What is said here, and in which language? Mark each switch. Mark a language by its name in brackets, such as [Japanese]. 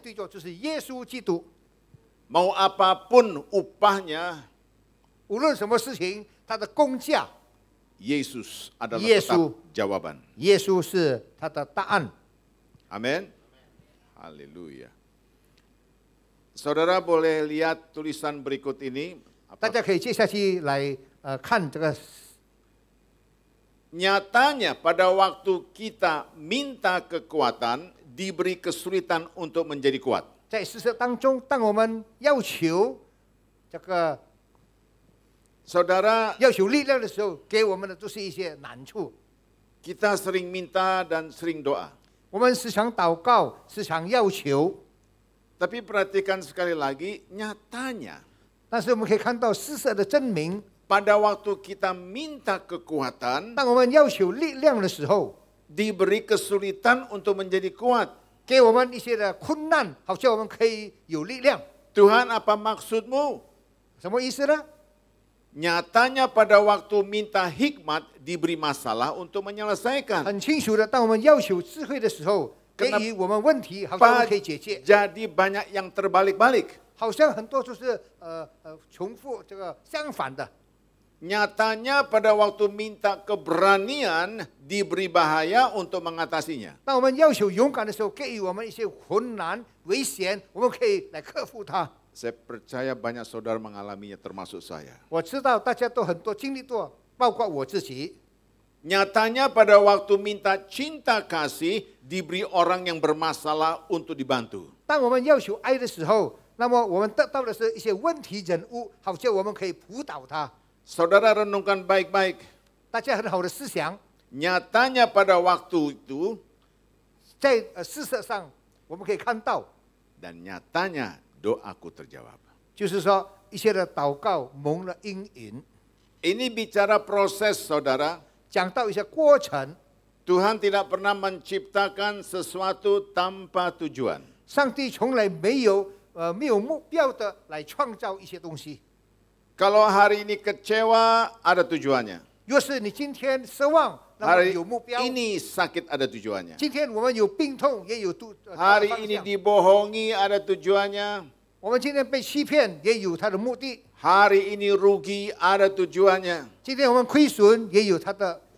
[Indonesian] Jadi, [Chinese] 他的回答就是在所有的层面当中，我们面对着就是耶稣基督。 [Indonesian] Mau apapun upahnya, [Chinese] 无论什么事情，他的工价， [Indonesian] Yesus adalah tetap jawaban. [Chinese] Yesus是他的答案。 [Indonesian] Amin. Haleluya. Saudara boleh lihat tulisan berikut ini. [Chinese] 大家可以接下去来看这个。 [Indonesian] Nyatanya pada waktu kita minta kekuatan diberi kesulitan untuk menjadi kuat. [Chinese] 在事实当中，当我们要求这个， [Indonesian] saudara [Chinese] 要求力量的时候，给我们的都是一些难处。 [Indonesian] Kita sering minta dan sering doa. [Chinese] 我们时常祷告，时常要求。 [Indonesian] Tapi perhatikan sekali lagi nyatanya. [Chinese] 但是我们可以看到事实的证明， [Indonesian] pada waktu kita minta kekuatan， [Chinese] 当我们要求力量的时候， [Indonesian] diberi kesulitan untuk menjadi kuat， [Chinese] 给我们一些的困难， 好像我们可以有力量。 [Indonesian] Tuhan apa maksudmu？ [Chinese] 什么意思呢？ [Indonesian] Nyatanya pada waktu minta hikmat， diberi masalah untuk menyelesaikan。 [Chinese] 很清楚的， 当我们要求智慧的时候， 给予我们问题， 好像我们可以解决。 [Indonesian] Jadi banyak yang terbalik-balik， [Chinese] 好像很多就是重复这个相反的。 [Indonesian] Nyatanya pada waktu minta keberanian diberi bahaya untuk mengatasinya. [Chinese] 当我们要求勇敢的时候， 给予我们一些困难危险， 我们可以来克服它。 [Indonesian] Saya percaya banyak saudara mengalaminya termasuk saya. [Chinese] 我知道大家都很多经历都， 包括我自己。 [Indonesian] Nyatanya pada waktu minta cinta kasih diberi orang yang bermasalah untuk dibantu. [Chinese] 当我们要求爱的时候， 那么我们得到的是一些问题人物，好像我们可以辅导他。 [Indonesian] Saudara renungkan baik-baik. [Chinese] 大家很好的思想。 [Indonesian] Nyatanya pada waktu itu, [Chinese] 在事实上我们可以看到。 [Indonesian] Dan nyatanya doaku terjawab. [Chinese] 就是说一些的祷告蒙了应允。 [Indonesian] Ini bicara proses, saudara. [Chinese] 讲到一些过程。 [Indonesian] Tuhan tidak pernah menciptakan sesuatu tanpa tujuan. [Chinese] 上帝从来没有 没有目标的来创造一些东西。 [Indonesian] Kalau hari ini kecewa, ada tujuannya. [Chinese] 若是你今天失望， 那么有目标。 [Indonesian] Hari ini sakit, ada tujuannya. [Chinese] 今天我们有病痛， 也有， [Indonesian] hari ini dibohongi, ada tujuannya. [Chinese] 我们今天被欺骗， 也有它的目的。 [Indonesian] Hari ini rugi, ada tujuannya. [Chinese] 今天我们亏损， 也有它的目的。